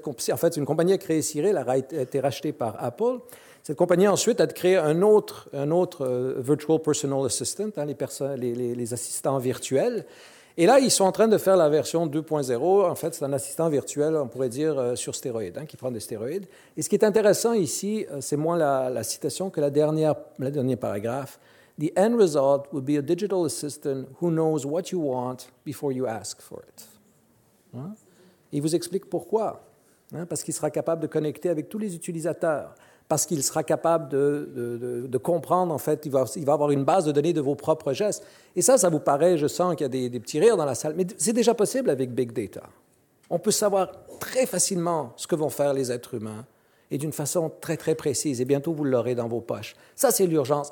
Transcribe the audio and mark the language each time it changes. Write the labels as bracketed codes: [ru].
[fr] En fait, une compagnie a créé Siri, elle a été rachetée par Apple. Cette compagnie ensuite a créé un autre virtual personal assistant, hein, les assistants virtuels. Et là, ils sont en train de faire la version 2.0. En fait, c'est un assistant virtuel, on pourrait dire, sur stéroïdes, hein, qui prend des stéroïdes. Et ce qui est intéressant ici, c'est moins la citation que la dernière paragraphe. [en] « The end result will be a digital assistant who knows what you want before you ask for it. [fr] Hein? » Il vous explique pourquoi. Hein? Parce qu'il sera capable de connecter avec tous les utilisateurs. Parce qu'il sera capable de comprendre, en fait, il va avoir une base de données de vos propres gestes. Et ça vous paraît, je sens qu'il y a des petits rires dans la salle, mais c'est déjà possible avec Big Data. On peut savoir très facilement ce que vont faire les êtres humains, et d'une façon très, très précise, et bientôt vous l'aurez dans vos poches. Ça, c'est l'urgence.